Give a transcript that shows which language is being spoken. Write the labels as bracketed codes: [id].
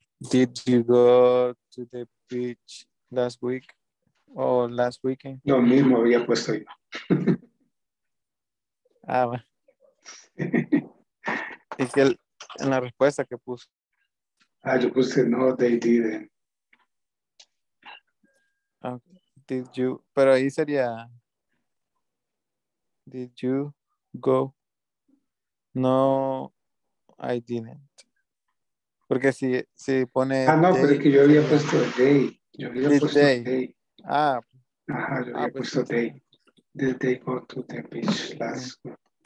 [en] Did you go to the beach last week or last weekend? [es] Lo mismo había puesto yo. Ah, bueno. Y que el, en la respuesta que puso. Ah, yo puse no, [en] they didn't. Okay. Did you, [es] pero ahí sería [en] did you go? No, I didn't. [es] Porque si, si pone... Ah, no, pero es que yo había puesto day. Yo había puesto day. Ah. Ajá, yo había puesto day. [en] Did they go to the beach last week?